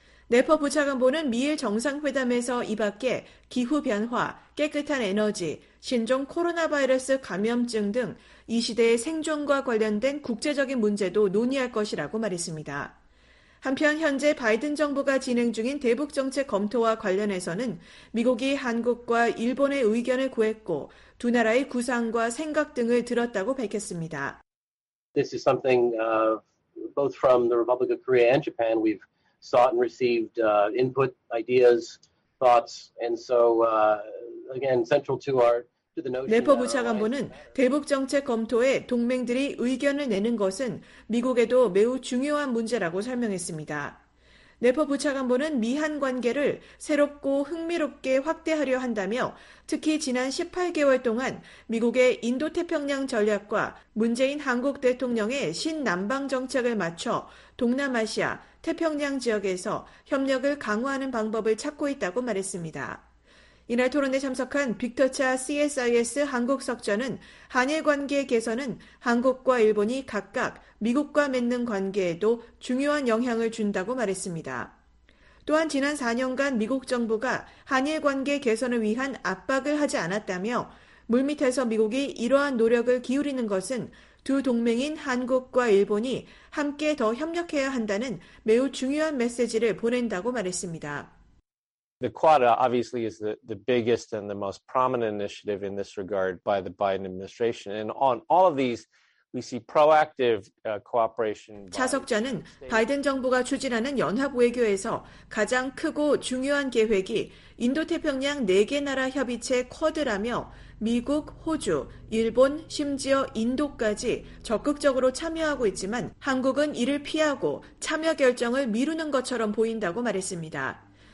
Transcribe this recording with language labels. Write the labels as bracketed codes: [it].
[ko] 네퍼 부차관보는 미일 정상회담에서 이밖에 기후변화, 깨끗한 에너지, 신종 코로나 바이러스 감염증 등 이 시대의 생존과 관련된 국제적인 문제도 논의할 것이라고 말했습니다. 한편 현재 바이든 정부가 진행 중인 대북정책 검토와 관련해서는 미국이 한국과 일본의 의견을 구했고 두 나라의 구상과 생각 등을 들었다고 밝혔습니다. [en] This is something both from the Republic of Korea and Japan. We've sought and received input, ideas, thoughts, and so again, central to our [ko] 네퍼 부차관보는 대북정책 검토에 동맹들이 의견을 내는 것은 미국에도 매우 중요한 문제라고 설명했습니다. 네퍼 부차관보는 미한 관계를 새롭고 흥미롭게 확대하려 한다며 특히 지난 18개월 동안 미국의 인도태평양 전략과 문재인 한국 대통령의 신남방 정책을 맞춰 동남아시아, 태평양 지역에서 협력을 강화하는 방법을 찾고 있다고 말했습니다. 이날 토론에 참석한 빅터차 CSIS 한국석전은 한일 관계 개선은 한국과 일본이 각각 미국과 맺는 관계에도 중요한 영향을 준다고 말했습니다. 또한 지난 4년간 미국 정부가 한일 관계 개선을 위한 압박을 하지 않았다며 물밑에서 미국이 이러한 노력을 기울이는 것은 두 동맹인 한국과 일본이 함께 더 협력해야 한다는 매우 중요한 메시지를 보낸다고 말했습니다. [en] The Quad obviously is the biggest and the most prominent initiative in this regard by the Biden administration. And on all of these [ko] 차석자는 바이든 정부가 추진하는 연합 외교에서 가장 크고 중요한 계획이 인도태평양 4개 나라 협의체 쿼드라며 미국, 호주, 일본, 심지어 인도까지 적극적으로 참여하고 있지만 한국은 이를 피하고 참여 결정을 미루는 것처럼 보인다고 말했습니다.